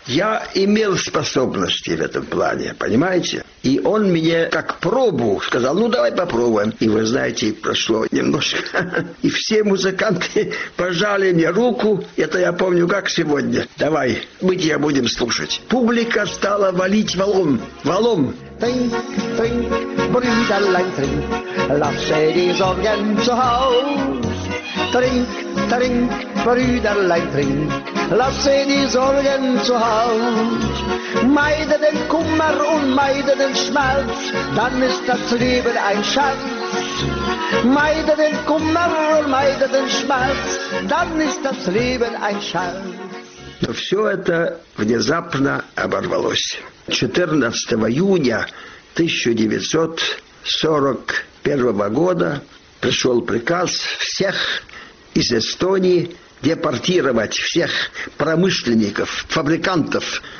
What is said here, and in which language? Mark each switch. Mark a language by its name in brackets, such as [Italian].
[Russian] Я имел способности в этом плане, понимаете? И он мне как пробу сказал, ну давай попробуем. И вы знаете, прошло немножко. И все музыканты пожали мне руку. Это я помню как сегодня. Давай, мы тебя будем слушать. Публика стала валить валом, валом. [German] Brüderlein, trink, lasse die Sorgen zu Haus. trink, trink, Brüderlein, trink, lasse die Sorgen zu Haus. Meide den Kummer und meide den Schmerz, dann ist das Leben ein Schatz. Meide den Kummer und meide den Schmerz, dann ist das Leben ein Schatz. [Russian] Но все это внезапно оборвалось. 14 июня 1941 года пришел приказ всех из Эстонии депортировать, всех промышленников, фабрикантов.